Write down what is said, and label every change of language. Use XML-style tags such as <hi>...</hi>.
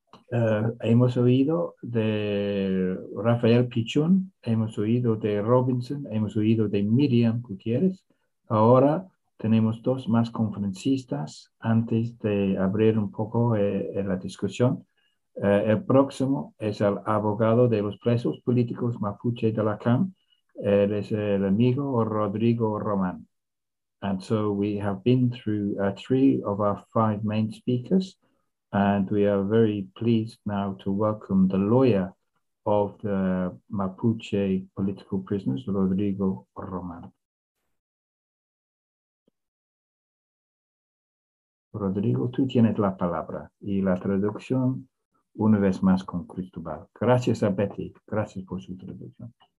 <es>Hemos oído de Rafael Pichón, hemos oído de Robinson, hemos oído de Miriam Gutiérrez. Ahora tenemos dos más conferencistas antes de abrir un poco la discusión. El próximo es el abogado de los presos políticos Mapuche de la CAM. Él es el amigo Rodrigo Román.</es> <en>And so we have been through three of our five main speakers, and we are very pleased now to welcome the lawyer of the Mapuche political prisoners, Rodrigo Román.</en> <es>Rodrigo, tú tienes la palabra y la traducción una vez más con Cristóbal. Gracias a Betty, gracias por su traducción.</es>